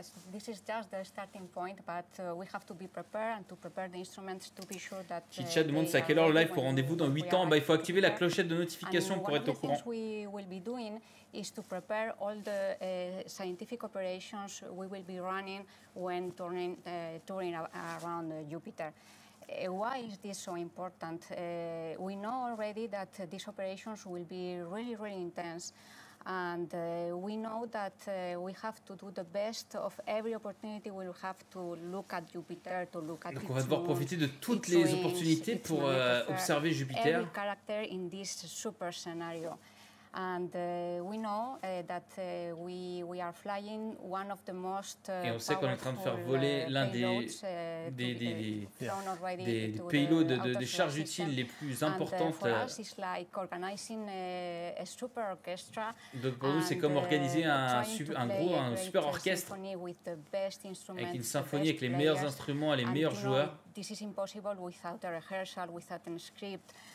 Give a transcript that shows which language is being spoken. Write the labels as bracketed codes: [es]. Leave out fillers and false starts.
[en] This is just the starting point, but we have to be prepared and to prepare the instruments to be sure that. [fr] Chicha demande c'est à quelle heure live pour rendez-vous dans 8 ans. Bah il faut activer la clochette de notification pour être au courant. [en] What we will be doing is to prepare all the scientific operations we will be running when touring around Jupiter. Why is this so important? We know already that these operations will be really, really intense. And we know that we have to do the best of every opportunity we will have to look at Jupiter, to look at. [fr] Donc on va devoir profiter de toutes les opportunités pour observer Jupiter. [en] Every character in this super scenario. And we know that we are flying one of the most [fr] et on sait qu'on est en train de faire voler l'un des payloads des charges utiles les plus importantes. [en] And, for us, it's like organizing a super orchestra. [fr] Donc pour nous, c'est comme organiser un super orchestre avec une symphonie avec les meilleurs instruments et les meilleurs joueurs. [en] This is impossible without a rehearsal, without a script.